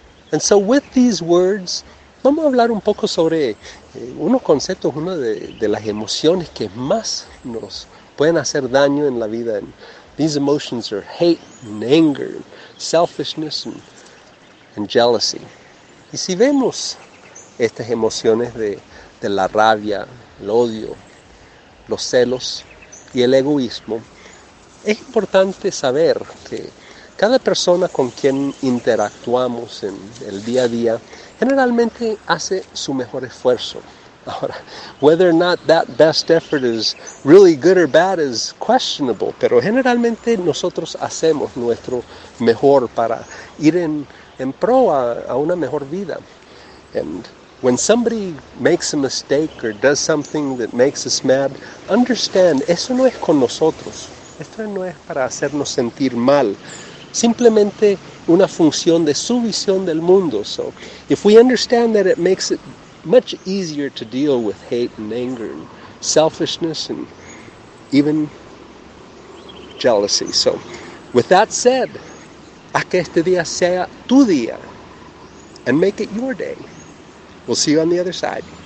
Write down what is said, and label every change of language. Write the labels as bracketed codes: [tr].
[en] And so with these words, [es] vamos a hablar un poco sobre unos conceptos, una de las emociones que más nos pueden hacer daño en la vida. [en] These emotions are hate and anger, selfishness and jealousy. [es] Y si vemos estas emociones de la rabia, el odio, los celos y el egoísmo, es importante saber que cada persona con quien interactuamos en el día a día generalmente hace su mejor esfuerzo. Ahora, [en] whether or not that best effort is really good or bad is questionable, [es] pero generalmente nosotros hacemos nuestro mejor para ir en pro a una mejor vida. [en] And when somebody makes a mistake or does something that makes us mad, understand, [es] eso no es con nosotros. Esto no es para hacernos sentir mal. Simplemente una función de su visión del mundo. [en] So, if we understand that it makes it much easier to deal with hate and anger and selfishness and even jealousy. So, with that said, [es] a que este día sea tu día, [en] and make it your day. We'll see you on the other side.